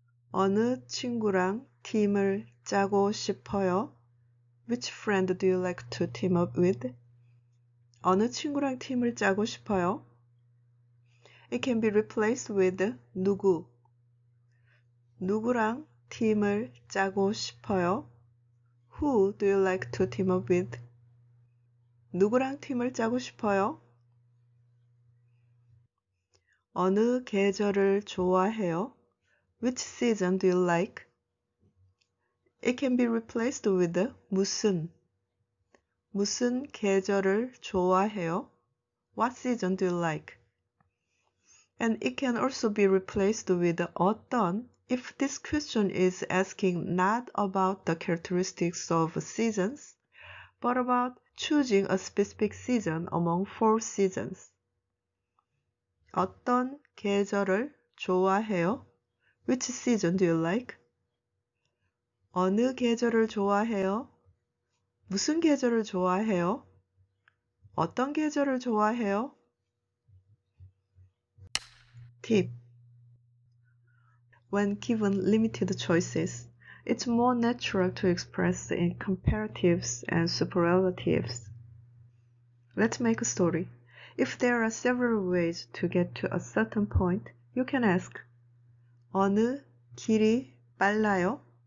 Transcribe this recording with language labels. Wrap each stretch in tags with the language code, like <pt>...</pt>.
<ko>어느 친구랑 팀을 짜고 싶어요?</ko> <en>Which friend do you like to team up with?</en> <ko>어느 친구랑 팀을 짜고 싶어요?</ko> <en>It can be replaced with 누구.</en> <ko>누구랑 팀을 짜고 싶어요?</ko> <en>Who do you like to team up with?</en> <ko>누구랑 팀을 짜고 싶어요?</ko> <en>어느 계절을 좋아해요? Which season do you like? It can be replaced with 무슨. 무슨 계절을 좋아해요? What season do you like? And it can also be replaced with 어떤 if this question is asking not about the characteristics of seasons, but about choosing a specific season among four seasons. 어떤 계절을 좋아해요? Which season do you like?</en> <ko>어느 계절을 좋아해요? 무슨 계절을 좋아해요? 어떤 계절을 좋아해요?</ko> <en>Tip: when given limited choices, it's more natural to express in comparatives and superlatives. Let's make a story. If there are several ways to get to a certain point, you can ask, 어느 길이 빨라요?</en>